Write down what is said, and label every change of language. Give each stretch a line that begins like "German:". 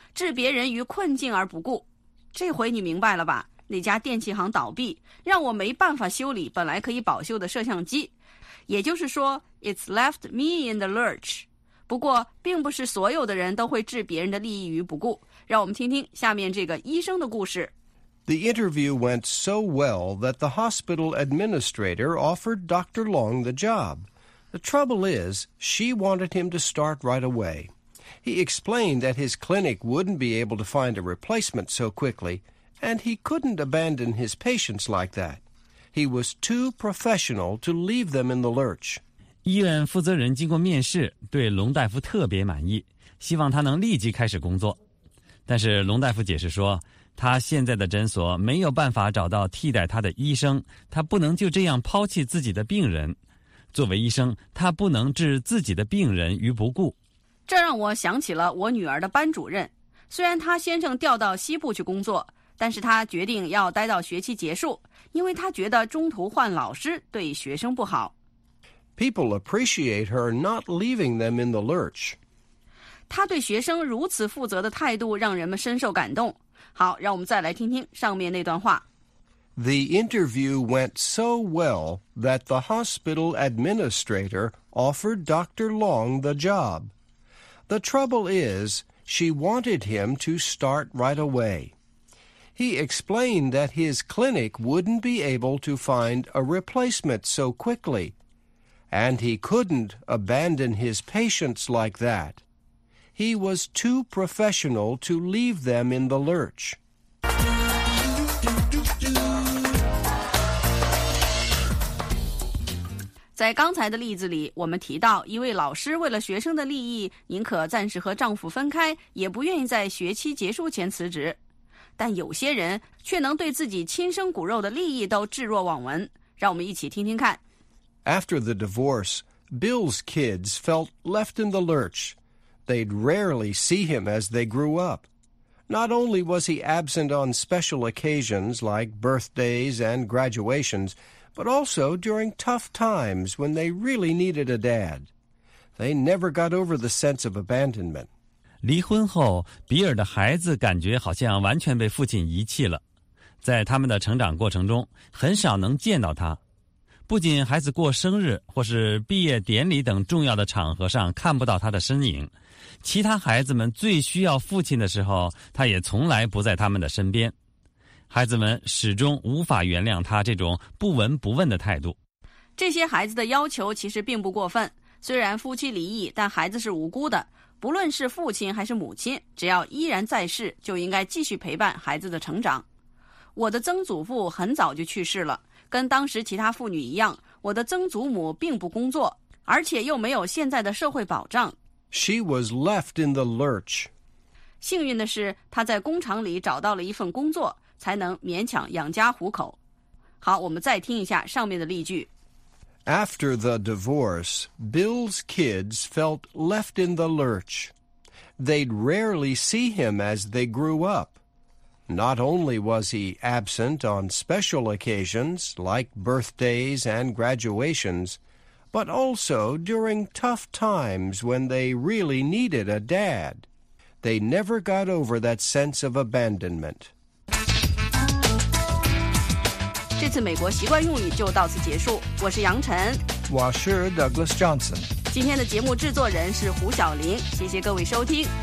Chinese: 置别人于困境而不顾，这回你明白了吧？那家电器行倒闭，让我没办法修理本来可以保修的摄像机。也就是说
English: ，it's left me in the lurch。
Chinese: 不过，并不是所有的人都会置别人的利益于不顾。让我们听听下面这个医生的故事。
English: The interview went so well that the hospital administrator offered Dr. Long the job. The trouble is, she wanted him to start right away. He explained that his clinic wouldn't be able to find a replacement so quickly, and he couldn't abandon his patients like that. He was too professional to leave them in the lurch.
Chinese: 医院负责人经过面试，对龙大夫特别满意，希望他能立即开始工作。但是龙大夫解释说，他现在的诊所没有办法找到替代他的医生，他不能就这样抛弃自己的病人。作为医生，他不能置自己的病人于不顾。这让我想起了我女儿的班主任，虽然她先生调到西部去工作，但是她决定要待到学期结束，因为她觉得中途换老师对学生不好。
English: People appreciate her not leaving them in the lurch.
Chinese: 她对学生如此负责的态度让人们深受感动。好，让我们再来听听上面那段话。
English: The interview went so well that the hospital administrator offered Dr. Long the job. The trouble is, she wanted him to start right away. He explained that his clinic wouldn't be able to find a replacement so quickly, and he couldn't abandon his patients like that. He was too professional to leave them in the lurch.
Chinese: 在刚才的例子里，我们提到一位老师为了学生的利益，宁可暂时和丈夫分开，也不愿意在学期结束前辞职。但有些人却能对自己亲生骨肉的利益都置若罔闻。让我们一起听听看。
English: After the divorce, Bill's kids felt left in the lurch. They'd rarely see him as they grew up. Not only was he absent on special occasions like birthdays and graduations,but also during tough times when they really needed a dad. They never got over the sense of abandonment.
Chinese: 离婚后，比尔的孩子感觉好像完全被父亲遗弃了。在他们的成长过程中，很少能见到他。不仅孩子过生日或是毕业典礼等重要的场合上看不到他的身影，其他孩子们最需要父亲的时候，他也从来不在他们的身边。孩子们始终无法原谅他这种不闻不问的态度。这些孩子的要求其实并不过分，虽然夫妻离异，但孩子是无辜的。不论是父亲还是母亲，只要依然在世，就应该继续陪伴孩子的成长。我的曾祖父很早就去世了，跟当时其他妇女一样，我的曾祖母并不工作，而且又没有现在的社会保障。
English: She was left in the lurch.
Chinese: 幸运的是，她在工厂里找到了一份工作，才能勉强养家糊口。好，我们再听一下上面的例句。
English: After the divorce, Bill's kids felt left in the lurch. They'd rarely see him as they grew up. Not only was he absent on special occasions, like birthdays and graduations, but also during tough times when they really needed a dad. They never got over that sense of abandonment.
Chinese: 这次美国习惯用语就到此结束，我是杨晨，我是 Douglas Johnson，今天的节目制作人是胡晓玲，谢谢各位收听。